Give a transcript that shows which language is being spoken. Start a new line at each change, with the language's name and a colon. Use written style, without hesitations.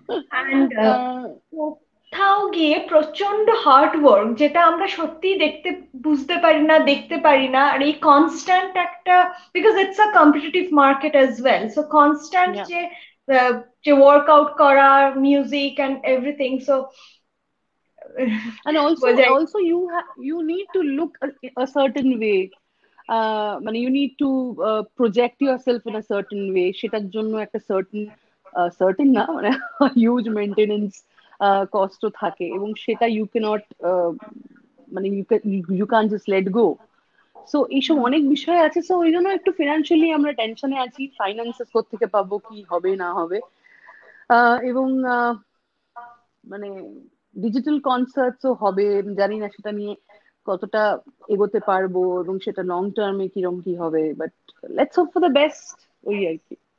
Bangla: And কোথাও গিয়ে প্রচন্ড হার্ড ওয়ার্ক, যেটা আমরা সত্যি দেখতে বুঝতে পারি না, দেখতে পারি না। আর এই কনস্ট্যান্ট একটা,
English: because it's a competitive market as well,
Bangla: so constant যে যে ওয়ার্ক আউট করা, music and everything, so
English: And also,
Bangla: বোঝাই।
English: also you you need to look a certain way. মানে you need to project yourself in a certain way.
Bangla: সেটার জন্য একটা
English: certain certain না মানে huge maintenance cost
Bangla: তো থাকে, এবং সেটা
English: you cannot মানে you can't just let go.
Bangla: So এইসব অনেক বিষয় আছে। সো ওই জন্য একটু ফিনান্সিয়ালি আমরা টেনশনে আছি, ফাইন্যান্সেস কোত্থেকে পাবো, কি হবে না হবে, এবং মানে ডিজিটাল কনসার্টস ও হবে, জানি না সেটা নিয়ে কতটা এগোতে পারবো এবং সেটা লং টার্মে কিরম কি হবে,
English: but let's hope for the best
Bangla: ওই আর কি।